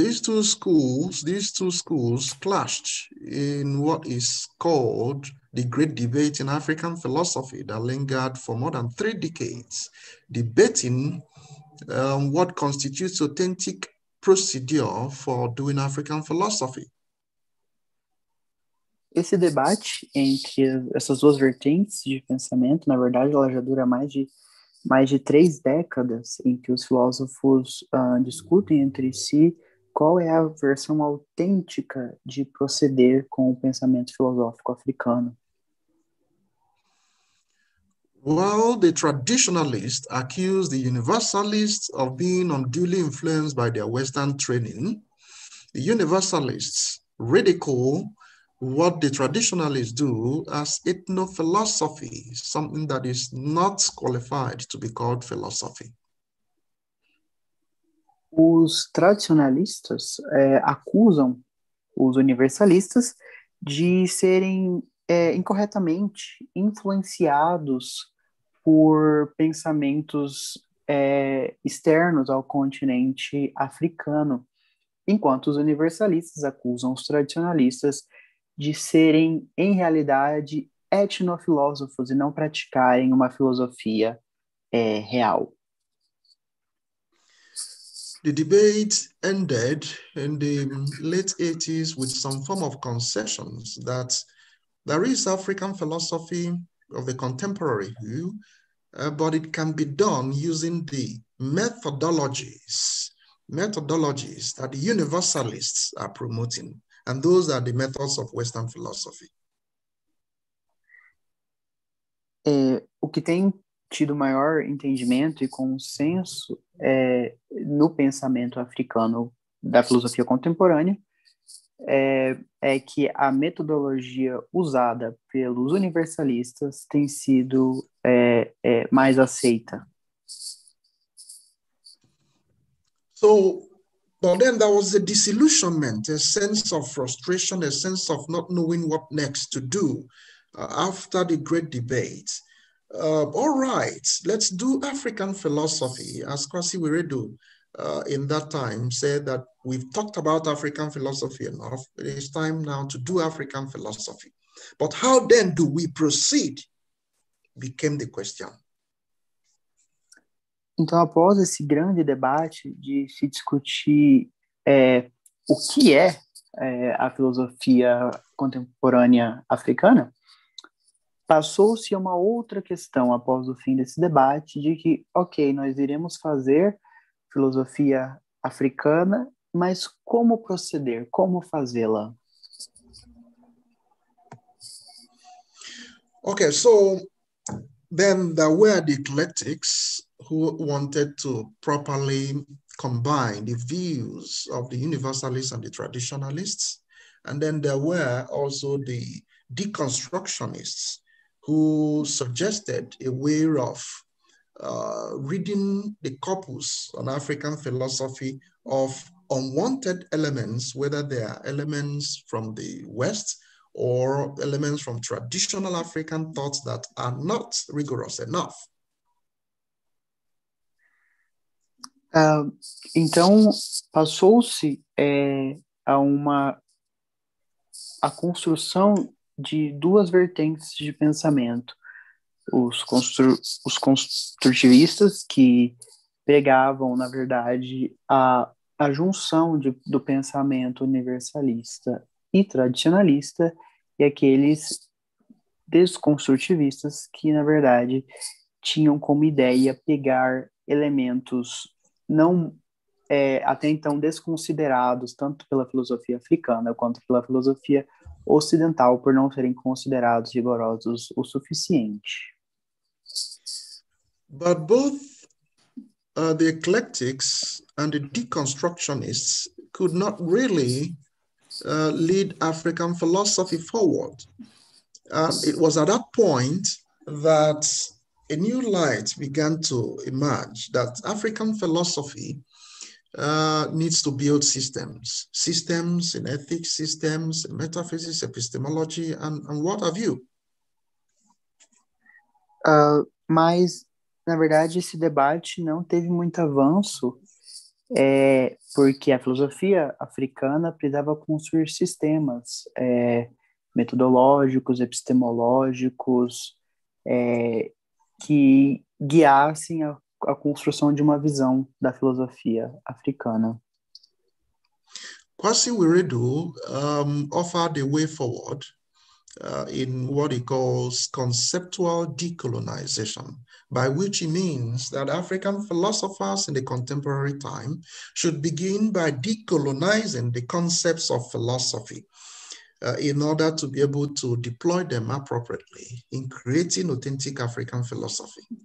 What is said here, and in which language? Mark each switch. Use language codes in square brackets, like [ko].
[en] These two schools clashed in what is called the great debate in African philosophy that lingered for more than three decades, debating what constitutes authentic procedure for doing African philosophy. [pt] Esse debate entre essas duas vertentes de pensamento, na verdade, ela já dura mais de três décadas em que os filósofos discutem entre si qual é a versão autêntica de proceder com o pensamento filosófico africano. [en] While the traditionalists accuse the universalists of being unduly influenced by their Western training, the universalists ridicule what the traditionalists do as ethnophilosophy, something that is not qualified to be called philosophy. [pt] Os tradicionalistas acusam os universalistas de serem incorretamente influenciados por pensamentos externos ao continente africano, enquanto os universalistas acusam os tradicionalistas de serem, em realidade, etnofilósofos e não praticarem uma filosofia real. [en] The debate ended in the late 80s with some form of concessions that there is African philosophy of the contemporary view, but it can be done using the methodologies that the universalists are promoting, and those are the methods of Western philosophy. [pt] O que tem tido maior entendimento e consenso no pensamento africano da filosofia contemporânea é que a metodologia usada pelos universalistas tem sido mais aceita. [en] So, but then there was a disillusionment, a sense of frustration, a sense of not knowing what next to do after the great debate. All right, let's do African philosophy, as Kwasi Wiredu in that time said that we've talked about African philosophy enough, it is time now to do African philosophy. But how then do we proceed, became the question. [pt] Então, após esse grande debate de se discutir o que é a filosofia contemporânea africana, passou-se a uma outra questão após o fim desse debate de que, ok, nós iremos fazer filosofia africana, mas como proceder, como fazê-la? [en] Ok, so then there were the eclectics who wanted to properly combine the views of the universalists and the traditionalists, and then there were also the deconstructionists who suggested a way of reading the corpus on African philosophy of unwanted elements, whether they are elements from the West or elements from traditional African thoughts that are not rigorous enough. [pt] Então, passou-se a uma a construção de duas vertentes de pensamento, os construtivistas que pregavam, na verdade, a a junção do pensamento universalista e tradicionalista e aqueles desconstrutivistas que, na verdade, tinham como ideia pegar elementos não até então desconsiderados tanto pela filosofia africana quanto pela filosofia ocidental por não serem considerados rigorosos o suficiente. [en] But both the eclectics and the deconstructionists could not really lead African philosophy forward. It was at that point that a new light began to emerge, that African philosophy needs to build systems, systems in ethics, systems in metaphysics, epistemology, and what have you. [pt] Mas, na verdade, esse debate não teve muito avanço, porque a filosofia africana precisava construir sistemas metodológicos, epistemológicos, que guiassem a construção de uma visão da filosofia africana. [en] Kwasi Wiredu offered a way forward in what he calls conceptual decolonization, by which he means that African philosophers in the contemporary time should begin by decolonizing the concepts of philosophy in order to be able to deploy them appropriately in creating authentic African philosophy.